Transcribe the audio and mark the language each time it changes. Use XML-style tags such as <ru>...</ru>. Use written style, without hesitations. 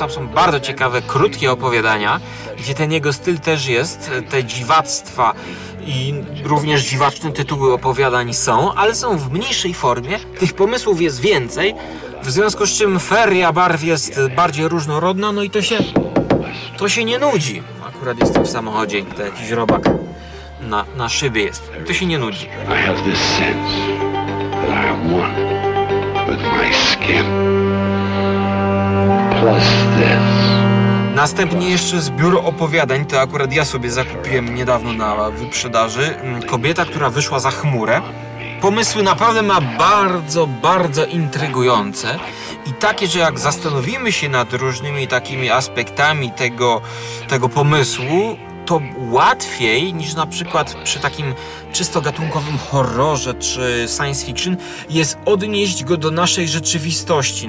<pl>Tam są bardzo ciekawe, krótkie opowiadania, gdzie ten jego styl też jest, te dziwactwa i również dziwaczne tytuły opowiadań są, ale są w mniejszej formie, tych pomysłów jest więcej, w związku z czym feria barw jest bardziej różnorodna, no i to się nie nudzi. Akurat jestem w samochodzie, to jakiś robak na szybie jest. To się nie nudzi.</pl> <en>I have this sense that I am one with my skin. Plus this.</en> <pl>Następnie jeszcze zbiór opowiadań, to akurat ja sobie zakupiłem niedawno na wyprzedaży. Kobieta, która wyszła za chmurę. Pomysły naprawdę ma bardzo, bardzo intrygujące i takie, że jak zastanowimy się nad różnymi takimi aspektami tego pomysłu, to łatwiej niż na przykład przy takim czysto gatunkowym horrorze czy science fiction jest odnieść go do naszej rzeczywistości.</pl>